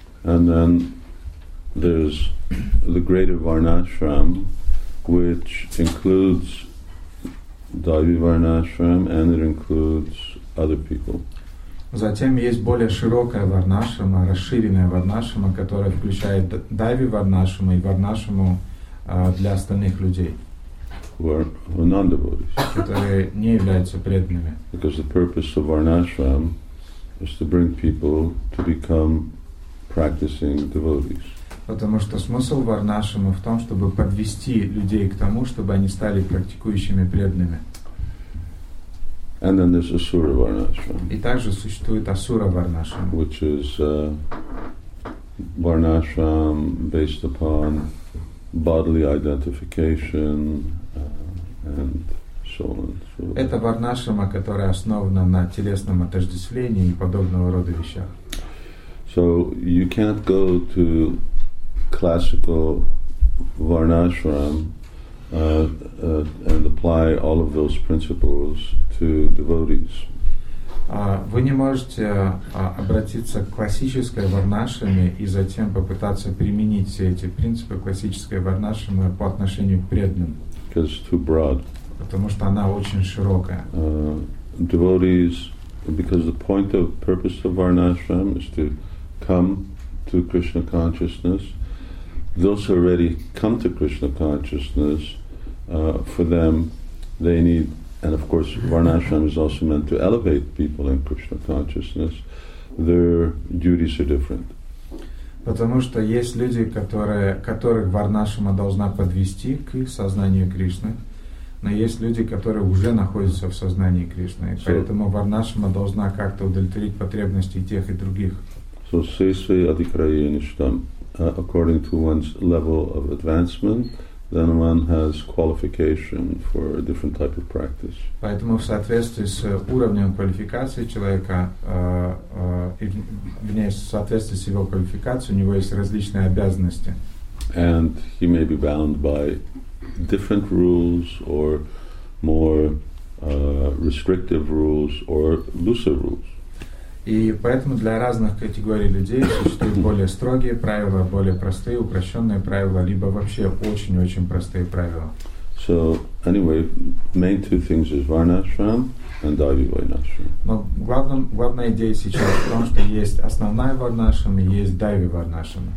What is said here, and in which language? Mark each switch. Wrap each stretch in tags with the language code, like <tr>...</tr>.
<en>And then there's the greater Varnashrama, which includes Daivi Varnashram and it includes other people.</en> <ru>Затем есть более широкая варнашрама, расширенная варнашрама, которая включает Daivi Varnashrama и варнашраму для остальных людей.</ru> <en>Who are non-devotees.</en> <ru>Которые не являются преданными.</ru> <en>Because the purpose of Varnashram is to bring people to become practicing devotees.</en> <ru>Потому что смысл варнашрама в том, чтобы подвести людей к тому, чтобы они стали практикующими преданными.</ru> <en>And then there's Asura Varnashram.</en> <ru>И также существует Асура Варнашрам.</ru> <en>Which is Varnashram based upon bodily identification and so on and so forth.</en> <ru>Это варнашрама, которая основана на телесном отождествлении и подобного рода вещах.</ru> <en>So you can't go to classical varnashram and apply all of those principles to devotees.</en> <ru>Вы не можете обратиться к классической варнашраме и затем попытаться применить все эти принципы классической варнашрамы по отношению к преданным.</ru> <en>Because it's too broad.</en> <ru>Потому что она очень широкая.</ru> <en>Devotees, because the point of purpose of varnashram is to come to Krishna consciousness. Those who already come to Krishna consciousness, for them, they need, and of course, Varnashram is also meant to elevate people in Krishna consciousness. Their duties are different.</en> <ru>Потому что есть люди, которые, которых Варнашрама должна подвести к сознанию Кришны, но есть люди, которые уже находятся в сознании Кришны. И поэтому Варнашрама должна как-то удовлетворить потребности тех и других.</ru> <en>So</en> <sa>Sesve Adhikaraya Nishtam,</sa> <en>according to one's level of advancement, then one has qualification for a different type of practice.</en> <ru>Поэтому в соответствии с уровнем квалификации человека, в соответствии с его квалификацией, у него есть различные обязанности.</ru> <en>And he may be bound by different rules or more restrictive rules or looser rules.</en> <ru>И поэтому для разных категорий людей существуют более строгие правила, более простые, упрощенные правила, либо вообще очень-очень простые правила.</ru> <en>So, anyway, main two things is Varnashram and Divi Varnashram.</en> <ru>Но главная идея сейчас в том, что есть основная Варнашрам и есть Дайви Варнашрам.</ru>